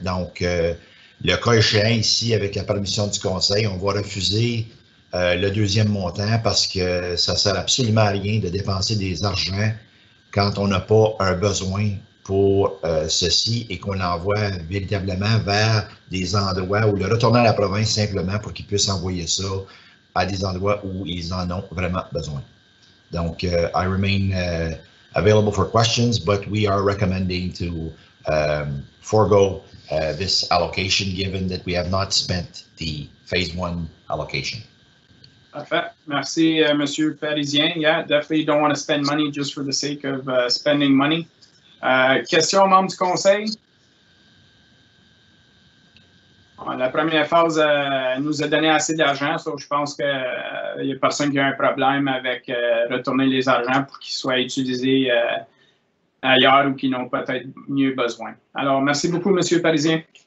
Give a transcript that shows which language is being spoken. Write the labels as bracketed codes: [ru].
[fr] Donc, le cas échéant ici, avec la permission du conseil, on va refuser le deuxième montant parce que ça ne sert absolument à rien de dépenser des argents quand on n'a pas un besoin pour ceci et qu'on l'envoie véritablement vers des endroits où le retourner à la province simplement pour qu'ils puissent envoyer ça à des endroits où ils en ont vraiment besoin. [en] Donc, I remain available for questions, but we are recommending to forego this allocation given that we have not spent the phase one allocation. [fr] Parfait. Merci, Monsieur Parisien. [en] Yeah, definitely don't want to spend money just for the sake of spending money. [fr] Question, membre du conseil? La première phase nous a donné assez d'argent, donc je pense qu'il n'y a personne qui a un problème avec retourner les argents pour qu'ils soient utilisés ailleurs ou qu'ils n'ont peut-être mieux besoin. Alors, merci beaucoup, Monsieur Parisien.